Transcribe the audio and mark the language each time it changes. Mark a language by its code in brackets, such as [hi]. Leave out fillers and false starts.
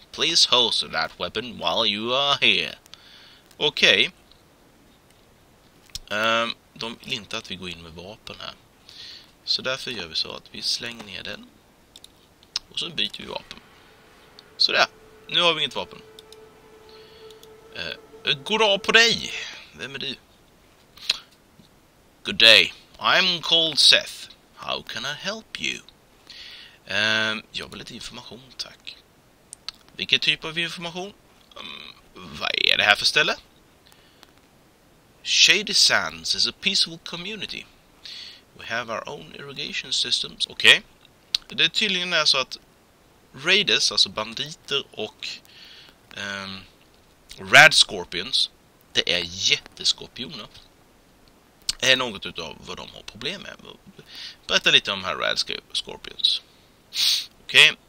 [en] Please hold that weapon while you are here. [sv] Okej. De vill inte att vi går in med vapen här. Så därför gör vi så att vi slänger ner den. Och så byter vi vapen. Sådär. Nu har vi inget vapen. [en] Good day [sv] på dig. Vem är du? [en] Good day. I'm called Seth. How can I help you? [sv] Jag vill lite information, tack. Vilken typ av information? Vad är det här för ställe? [en] Shady Sands is a peaceful community. We have our own irrigation systems. [sv] Okej. Okay. Det är tydligen så att raiders, alltså banditer och Rad Scorpions, det är jätteskorpioner. Det är något utav vad de har problem med. Berätta lite om här Rad Scorpions. Okej, okay.